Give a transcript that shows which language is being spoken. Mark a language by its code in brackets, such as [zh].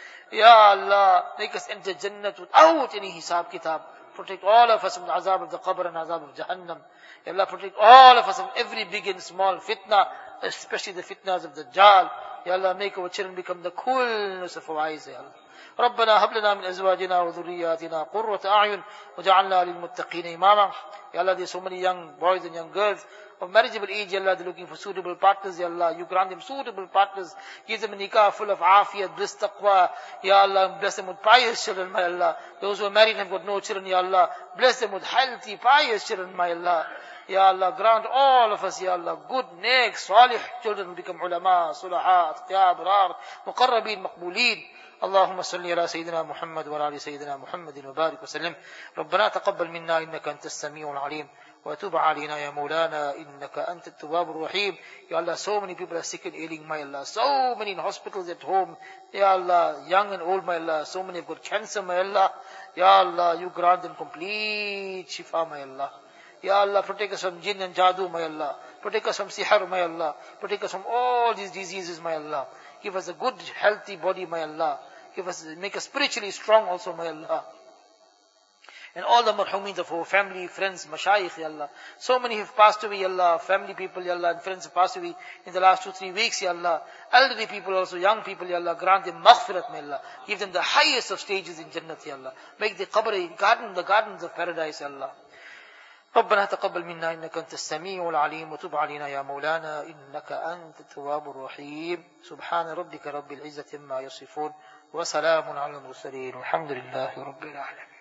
[en] Ya Allah, make us enter Jannah without any hisab kitab. Protect all of us from the azab of the qabr and azab of Jahannam. Ya Allah, protect all of us from every big and small fitna, especially the fitnas of Dajjal. Ya Allah, make our children become the coolness of our eyes, ya Allah. [ar] ربنا هب لنا من ازواجنا وذرياتنا قرة اعين وجعلنا للمتقين اماما. [en] Ya Allah, there are so many young boys and young girls of marriageable age, ya Allah, they're looking for suitable partners, ya Allah. You grant them suitable partners. Give them a nikah full of afiyat, bliss, taqwa. Ya Allah, bless them with pious children, my Allah. Those who are married and have got no children, ya Allah, bless them with healthy, pious children, my Allah. Ya Allah, grant all of us, ya Allah, good, nek, salih children who become ulama, sulaha, atqiyab, rar, muqarrabin, maqbuleen. [ar] اللهم صل على سيدنا محمد وعلى آل سيدنا محمد وبارك وسلم. ربنا تقبل منا إنك أنت السميع العليم. وتوب علينا يا مولانا إنك أنت التواب الرحيم. [en] يا الله, so many people are sick and ailing, my Allah. So many in hospitals at home. يا الله, young and old, my Allah. So many have got cancer, my Allah. يا الله, you grant them complete shifa, my Allah. يا الله, protect us from jinn and jadu, my Allah. Protect us from sihar, my Allah. Protect us from all these diseases, my Allah. Give us a good, healthy body, my Allah. Make us spiritually strong also, my Allah. And all the marhumin of our family, friends, mashayikh, ya Allah. So many have passed away, ya Allah. Family people, ya Allah, and friends have passed away in the last 2-3 weeks, ya Allah. Elderly people also, young people, ya Allah. Grant them maghfirat, my Allah. Give them the highest of stages in Jannah, ya Allah. Make the qabr, garden, the gardens of paradise, ya Allah. [ar] ربنا تقبل منا إنك أنت السميع العليم وتب علينا يا مولانا إنك أنت التواب الرحيم سبحان ربك رب العزة ما يصفون وسلام على المرسلين والحمد لله رب العالمين.